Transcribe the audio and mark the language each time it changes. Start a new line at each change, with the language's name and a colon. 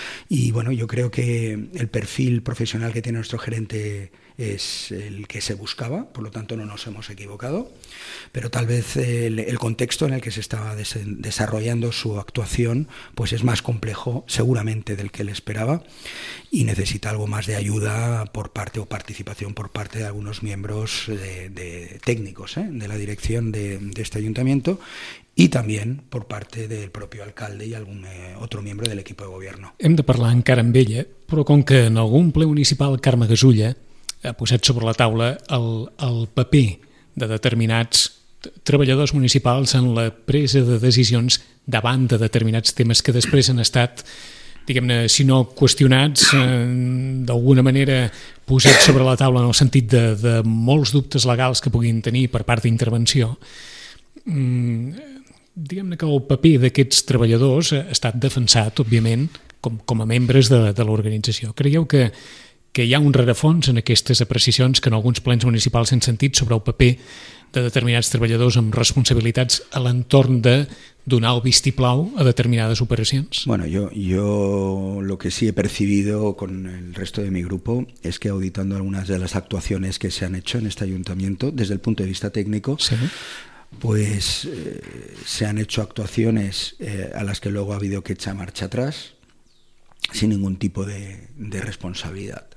Spanish: Y bueno, yo creo que el perfil profesional que tiene nuestro gerente es el que se buscaba, por lo tanto no nos hemos equivocado, pero tal vez el contexto en el que se estaba desarrollando su actuación pues es más complejo seguramente del que él esperaba y necesita algo más de ayuda por parte o participación por parte de algunos miembros de técnicos, ¿eh?, de la dirección de este ayuntamiento y también por parte del propio alcalde y algún otro miembro del equipo de gobierno.
Catalan: Hem de parlar encara amb ella, però com que en algun ple municipal Carme Gasulla ha posat sobre la taula el paper de determinats treballadors municipals en la presa de decisions davant de determinats temes que després han estat, diguem-ne, si no qüestionats, d'alguna manera posats sobre la taula en el sentit de molts dubtes legals que puguin tenir per part d'intervenció. Diguem-ne que el paper d'aquests treballadors ha estat defensat, òbviament, com a membres de l'organització. Creieu que hi ha un rerefons en aquestes apreciacions que en alguns plens municipals s'han sentit sobre el paper de determinats treballadors amb responsabilitats a l'entorn de donar el vistiplau a determinades operacions?
Spanish: Bueno, yo lo que sí he percibido con el resto de mi grupo es que auditando algunas de las actuaciones que se han hecho en este ayuntamiento desde el punto de vista técnico, sí, pues se han hecho actuaciones a las que luego ha habido que echar marcha atrás sin ningún tipo de responsabilidad.